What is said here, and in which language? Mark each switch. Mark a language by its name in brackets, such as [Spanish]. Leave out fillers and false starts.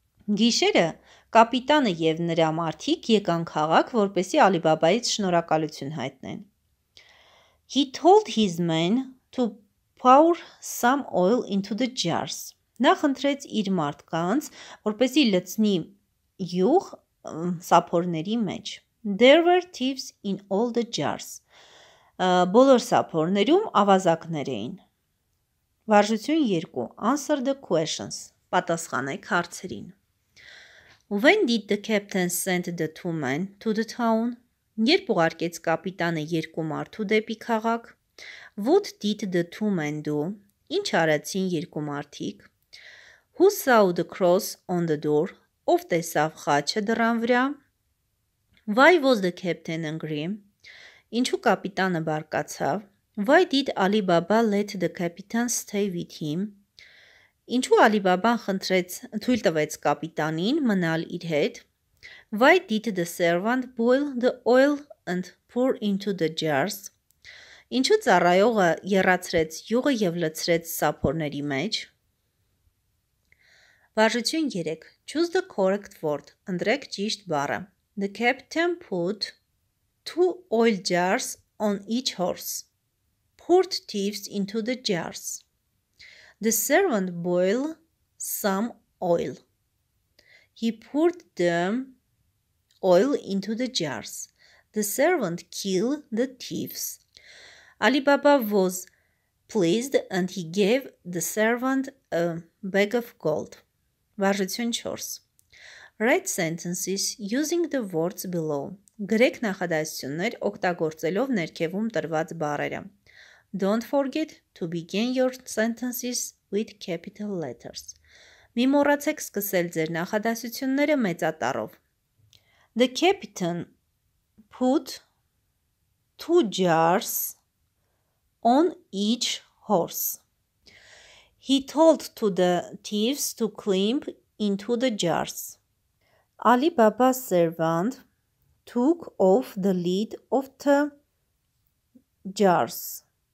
[Armenian] Գիշերը կապիտանը և նրա մարդիկ եկան քաղաք, որպեսի Ալիբաբայից շնորհակալություն հայտնեն. [English] He told his men to pour some oil into the jars. [Armenian] Նա խնդրեց իր մարդկանց, որպեսի լցնի յուղ սափորների մեջ. [English] There were thieves in all the jars. [Armenian] Բոլոր սափորներում ավազակներ էին. Վարժություն 2. [English] Answer the questions. [Armenian] Պատասխանեք հարցերին. [English] When did the captain send the two men to the town? [Armenian] Երբ ուղարկեց կապիտանը երկու մարդու դեպի քաղաք? [English] What did the two men do? [Armenian] Ինչ արեցին երկու մարդիկ? [English] Who saw the cross on the door? [Armenian] Ով տեսավ խաչը դռան վրա? [English] Why was the captain angry? [Armenian] Ինչու կապիտանը բարկացավ? [English] Why did Alibaba let the captain stay with him? [Armenian] Ինչու Ալիբաբան խնդրեց, թույլ տվեց կապիտանին մնալ իր հետ? [English] Why did the servant boil the oil and pour into the jars? [Armenian] Ինչու ծառայողը երացրեց յուղը և լցրեց սափորների մեջ? Վարժություն 3. [English] Choose the correct word. [Armenian] Ընտրեք ճիշտ բառը. [English] The captain put two oil jars on each horse. Poured thieves into the jars. The servant boiled some oil. He poured the oil into the jars. The servant killed the thieves. Alibaba was pleased and he gave the servant a bag of gold. Վարժություն 4. Write sentences using the words below. [Armenian] Գրեք նախադասություններ օգտագործելով ներքևում տրված բառերը. [English] Don't forget to begin your sentences with capital letters. [Armenian] Մի մոռացեք սկսել ձեր նախադասությունները մեծատառով. [English] The captain put two jars on each horse. He told to the thieves to climb into the jars. Alibaba's servant took off the lid of the jars.